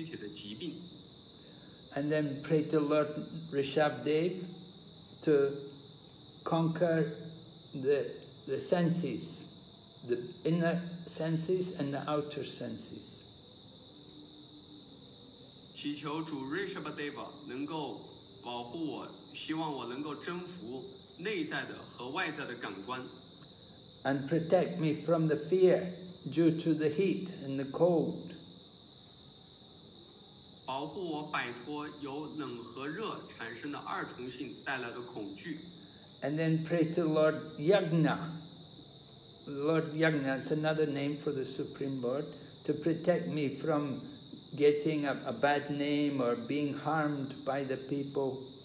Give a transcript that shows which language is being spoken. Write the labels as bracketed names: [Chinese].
[Chinese] 祈求他拯救我免于不良的食物，就是不渴望的食物，祈求他保护我没有躯体的疾病。 [English] And then pray to Lord Rishabhdev to conquer the senses, the inner senses and the outer senses. [Chinese] 祈求主 Rishabhdev 能够保护我。 [English] And protect me from the fear due to the heat and the cold. [Chinese] 保护我摆脱由冷和热产生的二重性带来的恐惧。 [English] And then pray to Lord Yagna. Lord Yagna is another name for the Supreme Lord, to protect me from getting a bad name or being harmed by the people.